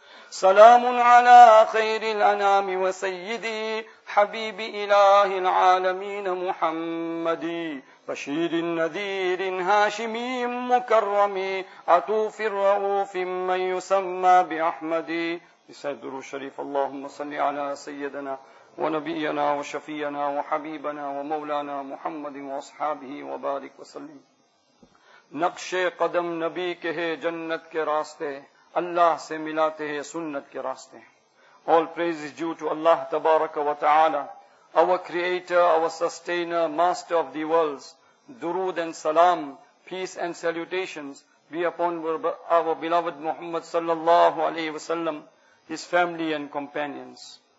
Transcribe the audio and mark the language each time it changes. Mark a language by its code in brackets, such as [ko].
[ar] سلام على خير الأنام وسيدي حبيب إله العالمين محمد، بشير النذير هاشمي مكرم، عطوف الرؤوف من يسمى بأحمد. سيد الدروس الشريف، اللهم صل على سيدنا ونبينا وشفينا وحبيبنا ومولانا محمد وأصحابه وبارك وسلم. [ur] نقش قدم نبی کے ہے جنت کے راستے، اللہ سے ملاتے ہیں سنت کے راستے. [en] All praise is due to Allah تبارک و تعالی، our creator, our sustainer, master of the worlds. Durood and salam, peace and salutations be upon our beloved Muhammad sallallahu alayhi wa sallam, his family and companions.